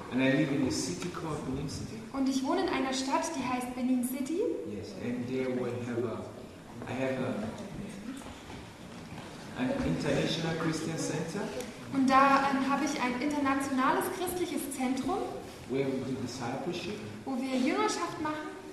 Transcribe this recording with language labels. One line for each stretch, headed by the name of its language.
English: And I live in a city called Benin City.
German: Und ich wohne in einer Stadt, die heißt Benin City.
English: Yes, and there we have an international Christian center.
German: Und da habe ich ein internationales christliches Zentrum, wo wir Jüngerschaft machen,